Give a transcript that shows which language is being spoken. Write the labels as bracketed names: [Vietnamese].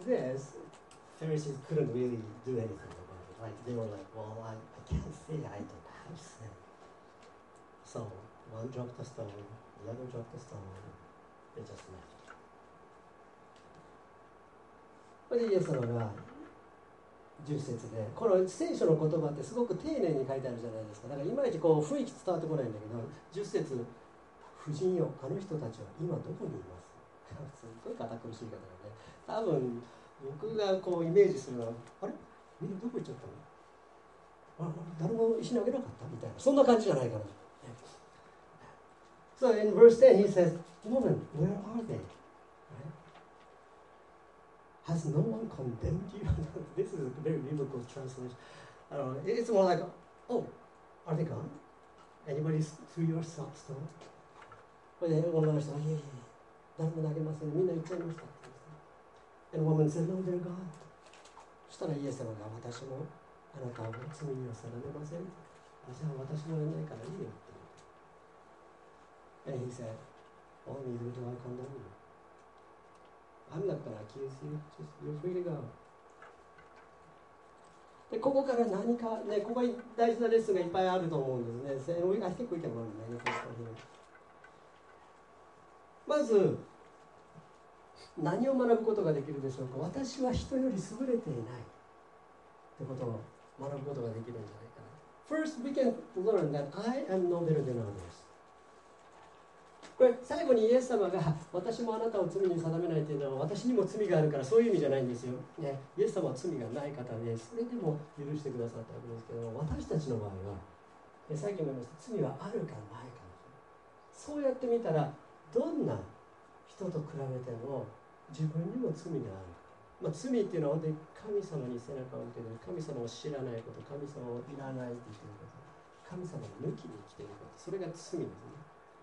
[English] So to this Pharisees couldn't really do anything about it. Like, they were like, well, I can't say I don't have sinSo, one dropped the stone, the other dropped the stone, they just left. [Japanese] But イエス様が10節で、この聖書の言葉ってすごく丁寧に書いてあるじゃないですか。だからいまいちこう雰囲気伝わってこないんだけど、10節、夫人よ、あの人たちは今どこにいます? すごい堅苦しい方だね。多分、僕がこうイメージするのは、あれ? みんなどこ行っちゃったの?あ、誰も石投げなかった? みたいな、そんな感じじゃないかな。 [English] So in verse 10 he says, Woman, where are they?、Right? Has no one condemned you? This is a very biblical translation. I don't know, it's more like, Oh, are they gone? Anybody threw your sock stone? But then one man said, Yeah, [Japanese] 誰も投げません。みんな行っちゃいました。 [English] And woman said, No, they're gone. [Japanese] そしたらイエス様が、私もあなたを罪に定めません。じゃあ私もいないからいいよ。 [English] And he said, Oh, neither do I condemn you. I'm not going to accuse you. Just, you're free to go. [Japanese] で、ここから何か、ね、ここが大事なレッスンがいっぱいあると思うんですね。 [English] And we, I think we can learn many things from here. [Japanese] まず、何を学ぶことができるでしょうか。私は人より優れていないってことを学ぶことができるんじゃないかな。 [English] First, we can learn that I am no better than others. [Japanese] これ最後にイエス様が私もあなたを罪に定めないというのは私にも罪があるからそういう意味じゃないんですよ、ね、イエス様は罪がない方でそれでも許してくださったわけですけど、私たちの場合はさっきも言いました罪はあるかないか、そうやってみたらどんな人と比べても自分にも罪がある、まあ、罪っていうのは本当に神様に背中を向けて神様を知らないこと、神様をいらないって言っていること、神様を抜きに生きていること、それが罪ですね。